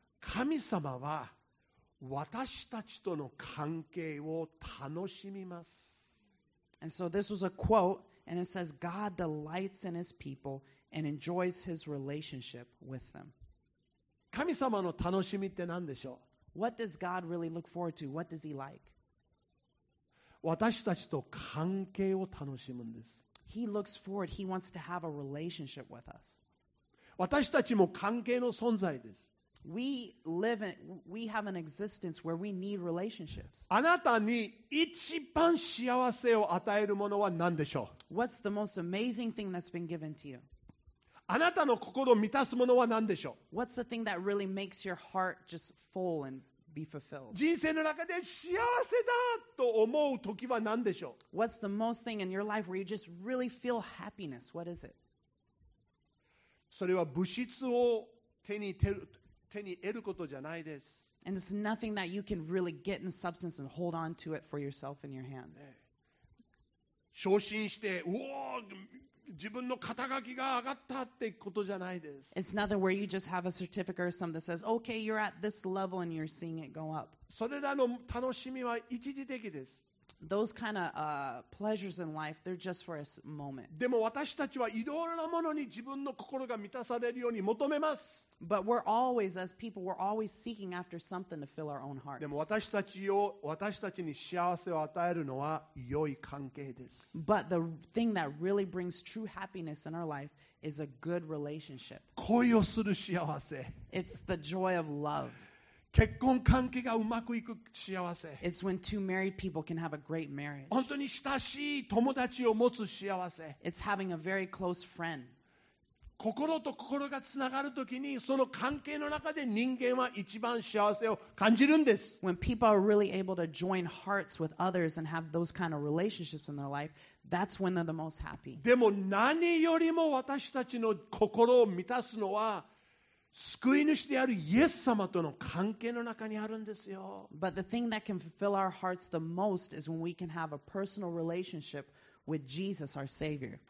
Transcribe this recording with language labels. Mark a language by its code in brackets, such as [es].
[ja] 神様は私たちとの関係を楽しみます。 [en] And so this was a quote and it says, God delights in his people. And enjoys his relationship with them. [ja] 神様の楽しみって何でしょう? [en] What does God really look forward to? What does he like? [ja] 私たちと関係を楽しむんです。 [en] He looks forward. He wants to have a relationship with us. [ja] 私たちも関係の存在です。 [en] We have an existence where we need relationships. [ja] あなたに一番幸せを与えるものは何でしょう? [en] What's the most amazing thing that's been given to you? [ja] あなたの心を満たすものは何でしょう? [en] What's the thing that really makes your heart just full and be fulfilled? [ja] 人生の中で幸せだと思う時は何でしょう? [en] What's the most thing in your life where you just really feel happiness? What is it? [ja] それは物質を手に得ることじゃないです。 [en] And it's nothing that you can really get in substance and hold on to it for yourself in your hands. [ja] 昇進して、うおー自分の肩書きが上がったってことじゃないです。 [en] It's nothing where you just have a certificate or something that says, okay, you're at this level and you're seeing it go up. [ja] それらの楽しみは一時的です。 [en] Those kind of pleasures in life, they're just for a moment. [ja] でも私たちはいろいろなものに自分の心が満たされるように求めます。 [en] But we're always, as people, we're always seeking after something to fill our own hearts. [ja] でも私たちに幸せを与えるのは良い関係です。 [en] But the thing that really brings true happiness in our life is a good relationship. [ja] 恋をする幸せ。 [en] It's the joy of love. [ja] 結婚関係がうまくいく幸せ。 [en] It's when two married people can have a great marriage. [ja] 本当に親しい友達を持つ幸せ。 [en] It's having a very close friend. [ja] 心と心がつながるときに、その関係の中で人間は一番幸せを感じるんです。 [en] When people are really able to join hearts with others and have those kind of relationships in their life, that's when they're the most happy. [ja] でも何よりも私たちの心を満たすのは、救い主であるイエス様との関係の中にあるんですよ。 [en] But the thing that can fulfill our hearts the most is when we can have a personal relationship with Jesus, our Savior.